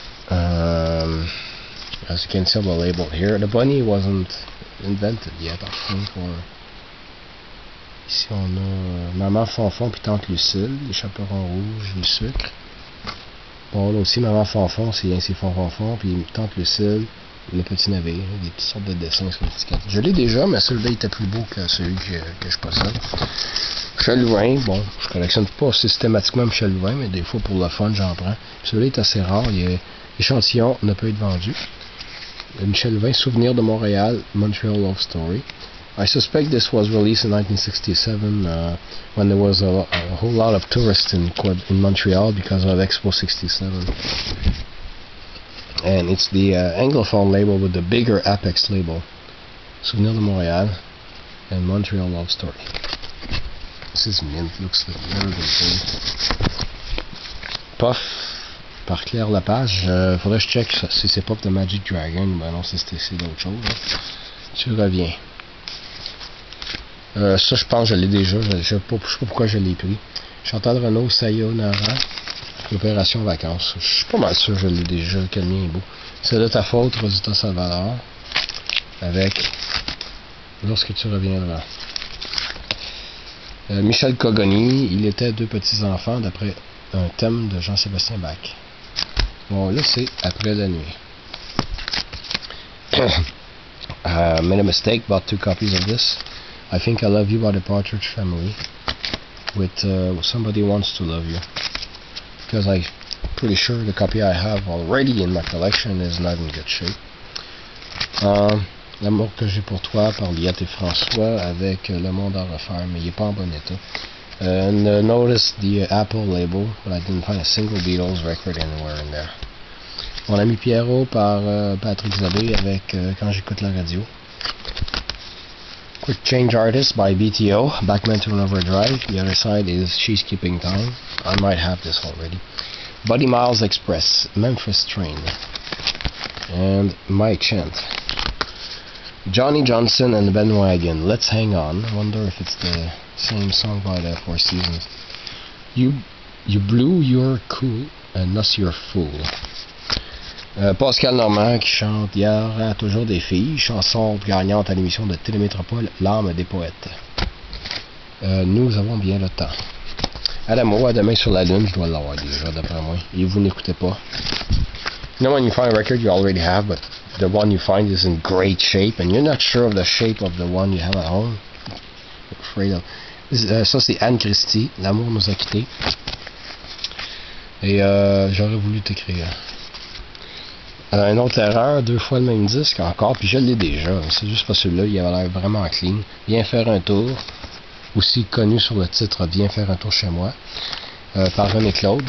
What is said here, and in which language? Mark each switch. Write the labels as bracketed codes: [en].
[en] As you can see on the label here, the bunny wasn't invented yet, I think, or... [fr] Ici on a Maman Fanfan puis Tante Lucille, les chaperons rouges, le sucre. Bon là aussi Maman Fanfan, c'est Fanfan, puis Tante Lucille, Le petit navire, des petites sortes de dessins sur l'étiquette. Je l'ai déjà, mais celui-là était plus beau que celui que je possède. Michel Louvain, bon, je collectionne pas systématiquement Michel Louvain, mais des fois pour le fun, j'en prends. Puis celui-là est assez rare, il est échantillon, ne peut être vendu. Le Michel Louvain, Souvenir de Montréal, Montreal Love Story. [en] I suspect this was released in 1967 when there was a whole lot of tourists in Montreal because of Expo 67. And it's the Anglophone label with the bigger Apex label. Souvenir de Montréal and Montreal Love Story. This is mint, looks like very good thing. [fr] Puff par Claire Lepage. Faudrait que je check si c'est Puff de Magic Dragon. Ben non, c'est d'autres choses. Tu reviens. Ça, je pense que je l'ai déjà. Je sais pas pourquoi je l'ai pris. Chantal Renaud, Sayonara, Opération Vacances. Je suis pas mal sûr que je l'ai déjà, que le mien est beau. C'est de ta faute, Rosita Salvador, avec Lorsque tu reviendras. Michel Cogoni, Il était deux petits-enfants, d'après un thème de Jean-Sébastien Bach. Bon, là, c'est Après la nuit. [en] I made a mistake, bought two copies of this. I Think I Love You by the Partridge Family with Somebody Wants to Love You, because I'm pretty sure the copy I have already in my collection is not in good shape. [fr] L'amour que j'ai pour toi par Liette et François avec Le Monde à refaire, mais il est pas en bon état. [en] And notice the Apple label, but I didn't find a single Beatles record anywhere in there. [fr] Mon ami Pierrot par Patrick Zabé avec Quand j'écoute la radio. [en] Quick Change Artist by BTO, Backman to an Overdrive. The other side is She's Keeping Time. I might have this already. Buddy Miles Express, Memphis Train. And My Chant. Johnny Johnson and the Bandwagon, Let's Hang On. I wonder if it's the same song by the Four Seasons. You Blew Your Cool and Us Your Fool. [fr] Pascal Normand qui chante Hier à Toujours des Filles, chanson gagnante à l'émission de Télémétropole, L'âme des poètes. Nous avons bien le temps. Adamo, à demain sur la Lune, je dois l'avoir déjà d'après moi. Et vous n'écoutez pas. [en] You know when you find a record you already have, but the one you find is in great shape, and you're not sure of the shape of the one you have at home? Afraid of. [fr] Ça, c'est Anne Christie, L'amour nous a quittés. Et j'aurais voulu t'écrire. Une autre erreur, deux fois le même disque encore, puis je l'ai déjà, c'est juste parce que celui-là, il avait l'air vraiment clean. Viens faire un tour, aussi connu sur le titre « Viens faire un tour chez moi », par René Claude.